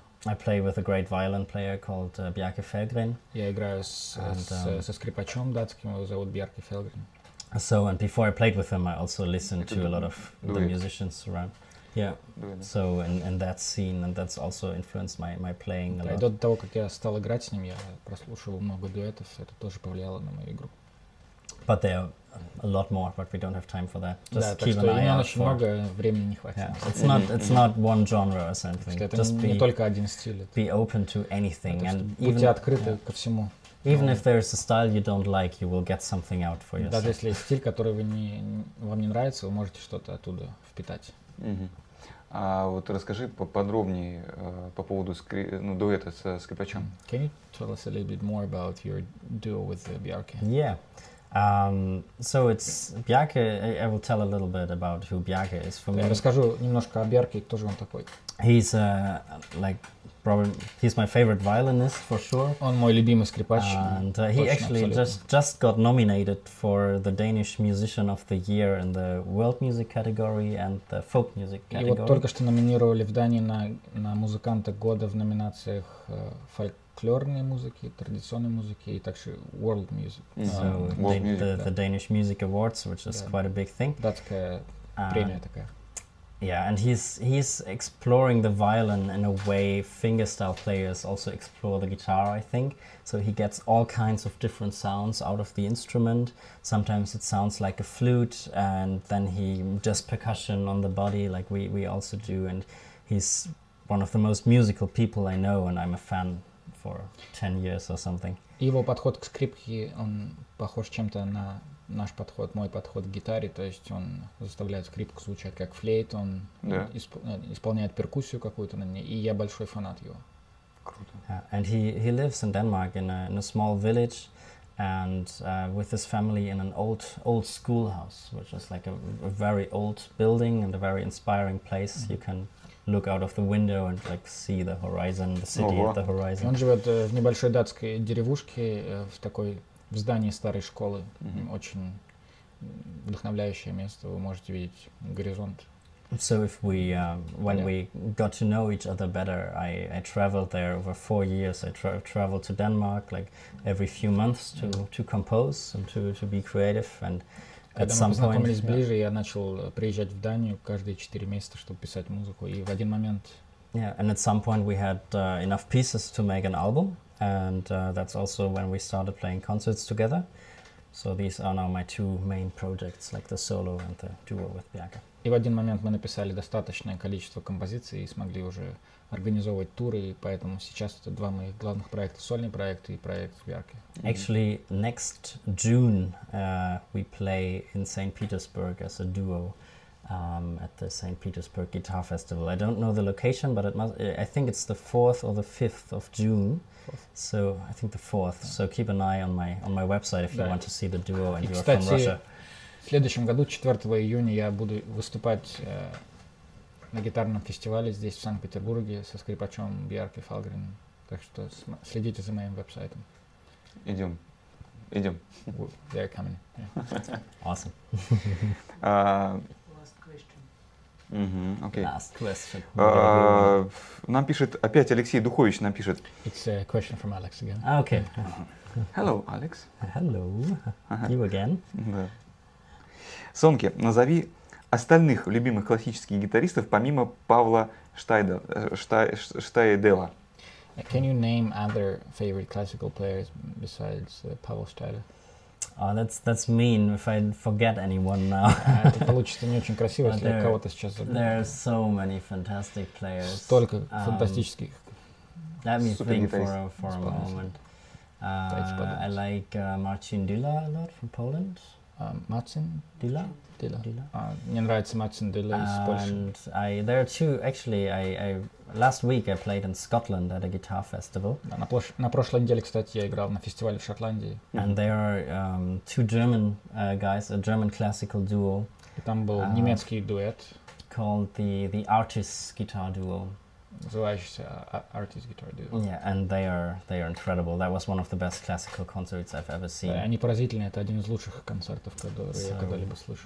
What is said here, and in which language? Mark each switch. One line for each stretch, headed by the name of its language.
English: I play with a great violin player called Bjarke Fellgren.
Russian: Я играю со скрипачом датским, его зовут Бьярке Фелгрен.
English: So and before I played with him, I also listened to a lot of the musicians around. Yeah. So and that scene, and that's also influenced my playing a lot.
Russian: До того, как я стал играть с ним, я прослушивал много дуэтов, это тоже повлияло на мою игру.
English: But there are a lot more, but we don't have time for that. Just keep an eye out for.
Russian: Много, времени не хватит.
English: Yeah, it's not one genre or something. Just
Russian: не только один стиль.
English: Be open to anything, and
Russian: будьте открыты ко всему.
English: Even if there is a style you don't like, you will get something out for yourself.
Russian: Даже если есть стиль, который вам не нравится, вы можете что-то оттуда впитать. А вот расскажи поподробнее по поводу дуэта со скрипачом.
English: Can you tell us a little bit more about your duo with Bjarke? Yeah. So it's Bjarke. I will tell a little bit about who Bjarke is for me.
Russian: Расскажу немножко о Бьярке, кто же он такой.
English: He's a like probably he's my favorite violinist for sure.
Russian: Он мой любимый скрипач.
English: And he actually just got nominated for the Danish Musician of the Year in the World Music category and the Folk Music category.
Russian: И вот только что номинировали в Дании на музыканта года в номинациях фольклорной музыки, традиционной музыки и также World Music.
English: The Danish Music Awards, which is quite a big thing.
Russian: Датская премия такая.
English: Yeah, and he's exploring the violin in a way fingerstyle players also explore the guitar, I think. So he gets all kinds of different sounds out of the instrument. Sometimes it sounds like a flute, and then he does percussion on the body like we also do. And he's one of the most musical people I know, and I'm a fan for 10 years or something.
Russian: Его подход к скрипке, он похож чем-то на... Наш подход, мой подход к гитаре, то есть он заставляет скрипку звучать как флейт, он исполняет перкуссию какую-то на ней, и я большой фанат его. Круто.
English: Yeah. And he lives in Denmark in a small village and with his family in an old schoolhouse, which is like a very old building and a very inspiring place. Mm-hmm. You can look out of the window and like see the horizon, the city at the horizon.
Russian: Он живет в небольшой датской деревушке, в такой... В здании старой школы. Mm-hmm. Очень вдохновляющее место. Вы можете видеть горизонт.
English: So if we we got to know each other better, I traveled there over 4 years. I traveled to Denmark like every few months to mm-hmm. to compose and to be creative. And
Russian: когда мы познакомились ближе, я начал приезжать в Данию каждые 4 месяца, чтобы писать музыку. И в один момент.
English: Yeah, and at some point we had enough pieces to make an album. And that's also when we started playing concerts together. So these are now my two main projects, like the solo and the duo with Bjarke.
Russian: И в один момент мы написали достаточное количество композиций и смогли уже организовывать туры, и поэтому сейчас это два моих главных проекта, сольный проект и проект Bjarke.
English: Actually, next June we play in St. Petersburg as a duo. At the St. Petersburg Guitar Festival. I don't know the location, but I think it's the 4th or the 5th of June. So I think the 4th. Yeah. So keep an eye on my website if you want to see the duo and you're from Russia.
Russian: В следующем году, 4 июня, я буду выступать на гитарном фестивале здесь, в Санкт-Петербурге, со скрипачом Бьярке Фалгрен. Так что следите за моим веб-сайтом. Идем. Идем.
English: They're coming. Yeah. Awesome. Mm-hmm, okay. Last question.
Russian: Нам пишет опять Алексей Духович, нам пишет.
English: It's a question from Alex again. Okay. Hello, Alex. Hello. Uh-huh. You again.
Russian: Да. Сонке, назови остальных любимых классических гитаристов, помимо Павла Штайдела.
English: Can you name other favorite classical players besides Павла Штайдела? Oh, that's mean if I forget anyone now.
Russian: Это получится не очень красиво, если я кого-то сейчас забуду.
English: There are so many fantastic players.
Russian: Столько фантастических.
English: Let me think for a moment. I like Marcin Dula a lot from Poland. Marcin Dula?
Russian: Dula. Мне нравится Marcin Dula из Польши.
English: And there are two, actually, I last week I played in Scotland at a guitar festival.
Russian: На прошлой неделе, кстати, я играл на фестивале в Шотландии.
English: And there are two German guys, a German classical duo.
Russian: И там был немецкий дуэт.
English: Called the Artist Guitar Duo.
Russian: Называющийся Artist Guitar Duo.
English: Yeah, and they are incredible. That was one of the best classical concerts I've ever seen.
Russian: Да, они поразительные. Это один из лучших концертов, которые я когда-либо слышал.